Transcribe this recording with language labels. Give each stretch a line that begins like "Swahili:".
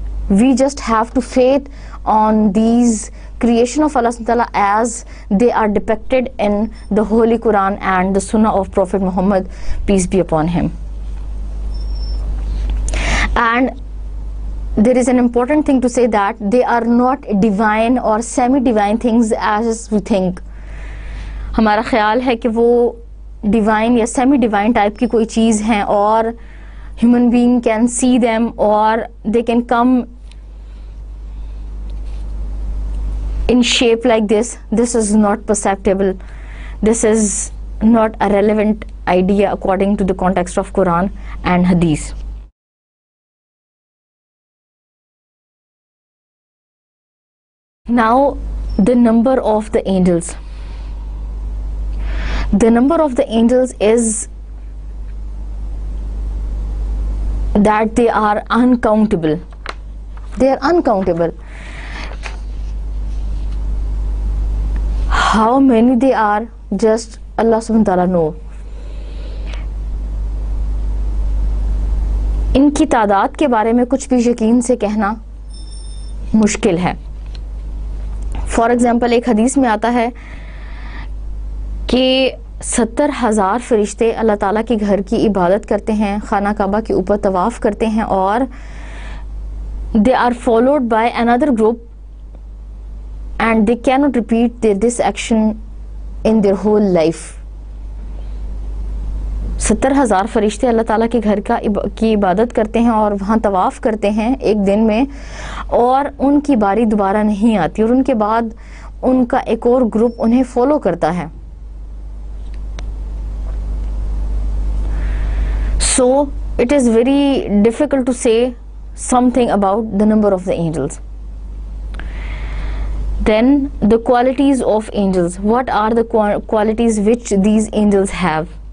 English: We just have to faith on these creation of اللہ سبحانہ تعالیٰ as they are depicted in the Holy Quran and the Sunnah of prophet Muhammad peace be upon him. And there is an important thing to say that they are not divine or semi divine things as we think.
Urdu: ہمارا خیال ہے کہ وہ divine یا semi divine type کی کوئی چیز ہیں اور
English: Human being can see them or they can come in shape like this. This is not perceptible, this is not a relevant idea according to the context of Quran and Hadith. Now the number of the angels, the number of the angels is that they are uncountable, they are uncountable. How many they are, just Allah subhanahu wa ta'ala know.
Urdu: ان کی تعداد کے بارے میں کچھ بھی یقین سے کہنا مشکل ہے. فار ایگزامپل ایک حدیث میں آتا ہے کہ 70,000 فرشتے اللہ تعالیٰ کے گھر کی عبادت کرتے ہیں, خانہ کعبہ کے اوپر طواف کرتے ہیں, اور
English: They are followed by another group and they cannot repeat this action in their whole life.
Urdu: 70,000 فرشتے اللہ تعالیٰ کے گھر کی عبادت کرتے ہیں اور وہاں طواف کرتے ہیں ایک دن میں, اور ان کی باری دوبارہ نہیں آتی, اور ان کے بعد ان کا ایک اور گروپ انہیں فالو کرتا ہے.
English: So it is very difficult to say something about the number of the angels. Then the qualities of angels, what are the qualities which these angels have?